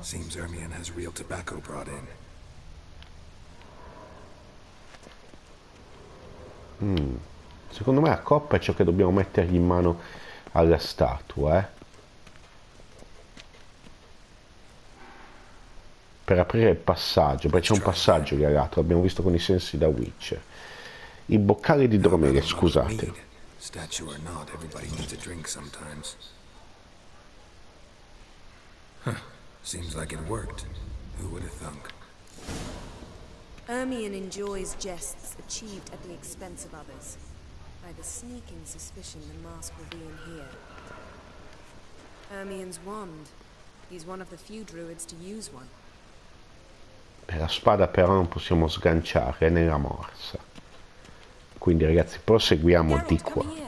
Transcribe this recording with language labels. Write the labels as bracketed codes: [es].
[it] Secondo me la coppa è ciò che dobbiamo mettergli in mano alla statua, eh? Per aprire il passaggio, perché c'è un passaggio che è lato, l'abbiamo visto con i sensi da Witcher. I boccali di Dromedia, scusate. [en] Statue or not, everybody needs a drink sometimes. Huh. Seems like it worked. Who would have thunk? Ermion enjoys jests achieved at the expense of others. I have a sneaking suspicion the mask will be in here. Ermion's wand. He's one of the few druids to use one. [it] Per la spada però non possiamo sganciare, è nella morsa. Quindi ragazzi, proseguiamo di qua.